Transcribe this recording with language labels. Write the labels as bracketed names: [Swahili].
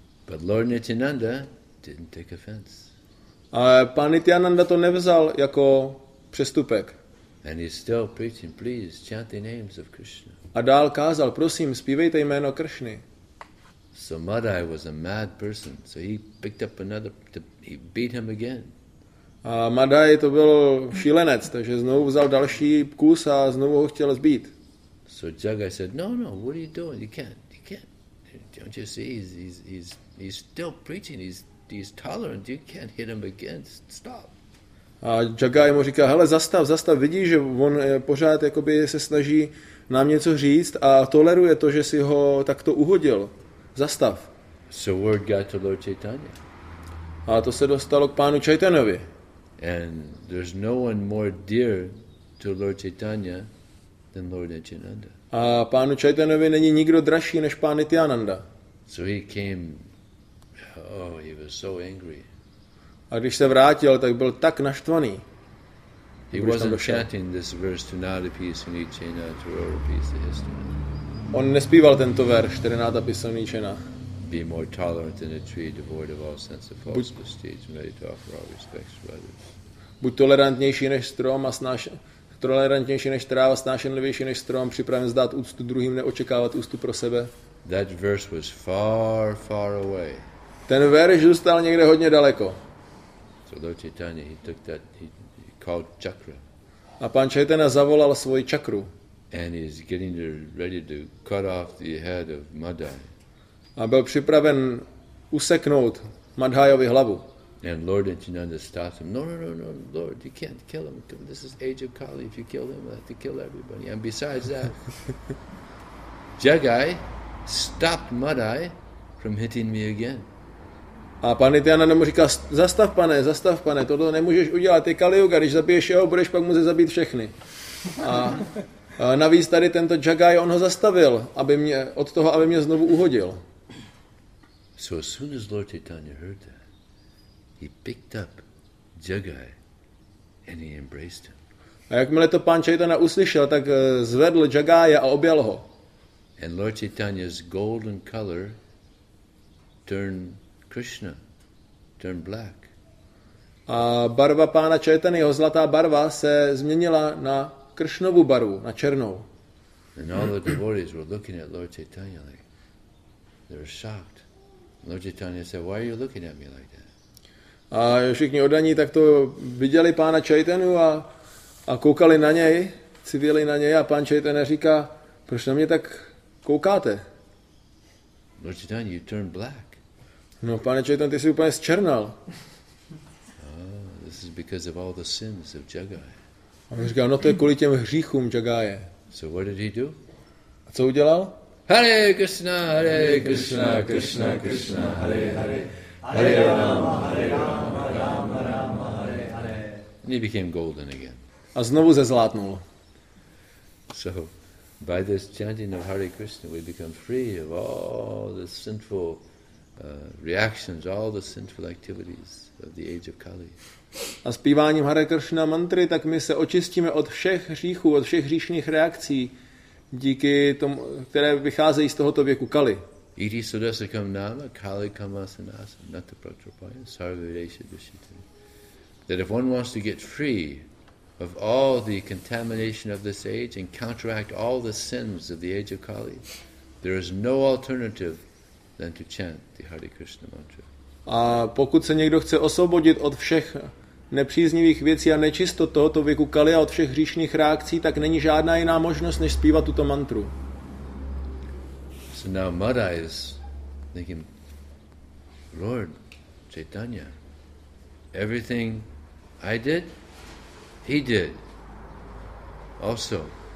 [English] But Lord Nityananda didn't take offense. [Czech] A pan Nityananda to nevzal jako přestupek. [English] And he's still preaching, please chant the names of Krishna. [Czech] A dál kázal, prosím, zpívejte jméno Kršny. [English] So Madhai was a mad person, so he picked up another, he beat him again. [Czech] A Madhai to byl šílenec, takže znovu vzal další kus a znovu ho chtěl zbít. [English] So Jagaya said, no, no, what are you doing? You can't, don't you see, he's still preaching, he's tolerant, you can't hit him again, stop. [Czech] A Jagaya mu říká, hele, zastav, zastav, vidíš, že on pořád jakoby se snaží nám něco říct a toleruje to, že si ho takto uhodil, zastav. [English] So word got to Lord Chaitanya. [Czech] A to se dostalo k pánu Chaitanyovi. [English] And there's no one more dear to Lord Chaitanya than Lord Nityananda. [Czech] A pánu Chaitanyovi není nikdo dražší než pán Nityananda. [English] So he came, oh, he was so angry. [Czech] A když se vrátil, tak byl tak naštvaný. [English] He wasn't chanting this verse to [Sanskrit] Nadapi Sunichena to Rorapi Sahasrana. [Czech] On nespíval tento verš, který [Sanskrit] Nadapi Sunichena. [English] Be more tolerant than a tree devoid of all sense of false prestige, ready to offer all respects to others. [Czech] Buď tolerantnější než strom a tolerantnější než tráva, snášenlivější než strom, připraven zdát úctu druhým, neočekávat úctu pro sebe. [English] That verse was far, far away. [Czech] Ten verš zůstal někde hodně daleko. [English] So Lord Chaitanya, he took that, he called chakra. [Czech] A pan Chaitanya zavolal svoji čakru. [English] And he's getting ready to cut off the head of Madhai. [Czech] A byl připraven useknout Madhajovi hlavu. [English] And Lord Nityananda stopped him. No, no, no, no, Lord, you can't kill him. This is age of Kali. If you kill him, you have to kill everybody. And besides that, Jagai stopped Madhai from hitting me again. [Czech] A pan Nityananda mu říká, zastav pane, toto nemůžeš udělat. Ty Kali Yuga, když zabiješ jeho, budeš pak muset zabít všechny. A navíc tady tento Jagai, on ho zastavil, aby mě, od toho, aby mě znovu uhodil. [English] So as soon as Lord Chaitanya heard that, he picked up Jagaya and he embraced him. [Czech] A jakmile to pán Chaitanya uslyšel, tak zvedl Jagaya a objal ho. [English] And Lord Chaitanya's golden color turned Krishna, turned black. [Czech] A barva pána Chaitanya, jeho zlatá barva, se změnila na Kršnovu barvu, na černou. [English] And all the devotees were looking at Lord Chaitanya like they were shocked. Lord Chaitanya said, why are you looking at me like that? [Czech] A všichni oddaní takto viděli pána Chaitanyu a koukali na něj, civili na něj a pán Chaitanya říká, proč na mě tak koukáte? [English] Lord Chaitanya, you turned black. [Czech] No, pane Chaitanya, ty jsi úplně zčernal. [English] This is because of all the sins of Jagaya. [Czech] A on říká, no to je kvůli těm hříchům Jagaya. [English] So what did he do? [Czech] A co udělal? [Sanskrit] Hare Krishna, Krishna, Krishna, Hare Hare. Hare Rama, Hare Rama, Rama Rama, Hare Hare. [English] And he became golden again. [Czech] A znovu zezlátnul. [English] So, by this chanting of Hare Krishna, we become free of all the sinful reactions, all the sinful activities of the age of Kali. [Czech] A zpíváním Hare Krishna mantry, tak my se očistíme od všech hříchů, od všech hříšných reakcí, díky tomu, které vycházejí z tohoto věku Kali. [Sanskrit] Iti sudasakam nama Kali kamasanasa natta pratrapaya sarvavidesha dushitam. [English] That if one wants to get free of all the contamination of this age and counteract all the sins of the age of Kali, there is no alternative than to chant the Hare Krishna mantra. [Czech] A pokud se někdo chce osvobodit od všech nepříznivých věcí a nečistot tohoto věku Kali a od všech hříšných reakcí, tak není žádná jiná možnost, než zpívat tuto mantru. [English] So now Mara is thinking, Lord Chaitanya, everything I did, he did also.